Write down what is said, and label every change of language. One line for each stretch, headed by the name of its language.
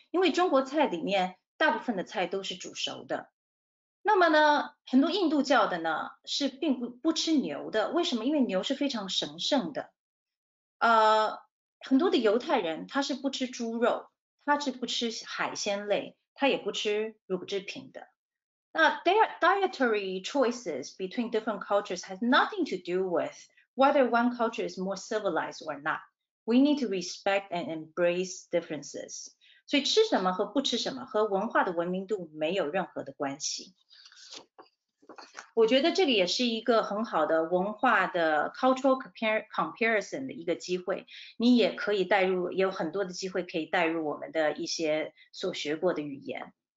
Chinese: 因为中国菜里面大部分的菜都是煮熟的。那么呢，很多印度教的呢是并不吃牛的，为什么？因为牛是非常神圣的。很多的犹太人他是不吃猪肉，他是不吃海鲜类，他也不吃乳制品的。那
English: dietary choices between different cultures has nothing to do with whether one culture is more civilized or not. We need to respect and embrace differences.
Chinese: 所以吃什么和不吃什么和文化的文明度没有任何的关系。我觉得这个也是一个很好的文化的
English: cultural comparison
Chinese: 的一个机会，你也可以带入，有很多的机会可以带入我们的一些所学过的语言。